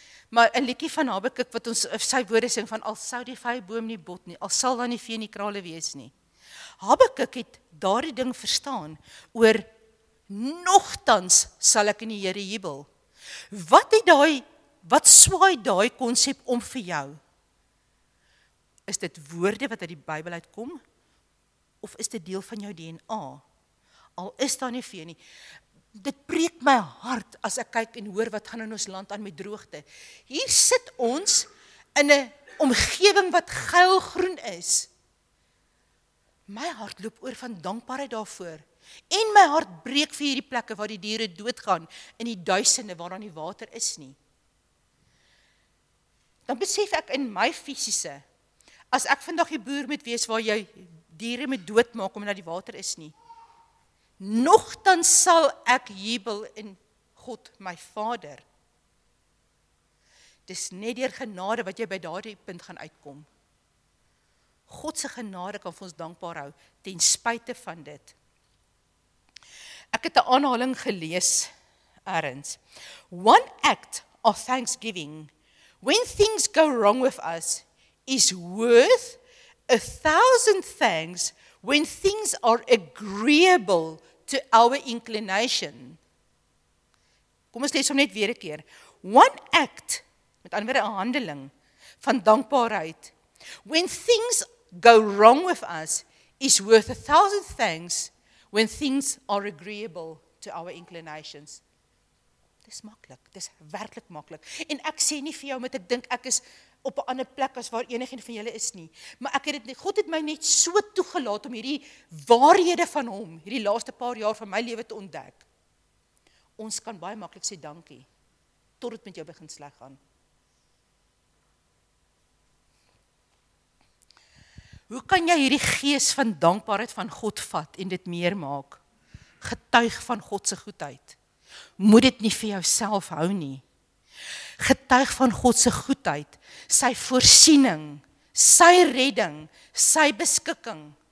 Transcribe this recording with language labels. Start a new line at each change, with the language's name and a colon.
Afrikaans: Maar 'n liedjie van Habakuk wat ons sy woorde sing van, al sou die vyeboom nie bot nie, al sal dan die vee nie krale wees nie. Habakuk het daardie ding verstaan oor, nogtans sal ek in die Here jubel. Wat swaai daai konsep om vir jou? Is dit woorde wat uit die Bybel uitkom? Of is dit deel van jou DNA? Al is daar nie vee nie. Dit breek my hart as ek kyk en hoor wat gaan in ons land aan met droogte. Hier sit ons in 'n omgewing wat geelgroen is. My hart loop oor van dankbaarheid daarvoor. En my hart breek vir hierdie plekke waar die diere doodgaan in die duisende waar daar nie water is nie. Dan besef ek in my fisiese, as ek vandag die boer moet wees waar jy diere moet doodmaak omdat die water is nie, nogtans sal ek jubel in God my Vader. Dis net deur genade wat jy by daardie punt gaan uitkom. God se genade kan vir ons dankbaar hou, ten spyte van dit. Ek het 'n aanhaling gelees, ergens.
English: One act of thanksgiving, when things go wrong with us, is worth 1,000 thanks when things are agreeable to our inclination.
Afrikaans: Kom ons lees hom net weer 'n keer.
English: One act,
Afrikaans: met ander woorde 'n handeling, van dankbaarheid,
English: when things go wrong with us, is worth 1,000 thanks when things are agreeable to our inclinations.
Afrikaans: Dis maklik, dis werklik maklik. En ek sê nie vir jou met ek dink ek is op 'n ander plek as waar enigiemand van julle is nie. Maar ek het dit nie, God het my net so toegelaat om hierdie waarhede van hom, hierdie laaste paar jaar van my lewe te ontdek. Ons kan baie maklik sê dankie, tot dit met jou begin sleg gaan. Hoe kan jy hierdie gees van dankbaarheid van God vat en dit meer maak? Getuig van God se goedheid. Moet dit nie vir jouself hou nie. Getuig van God se goedheid, sy voorsiening, sy redding, sy beskikking.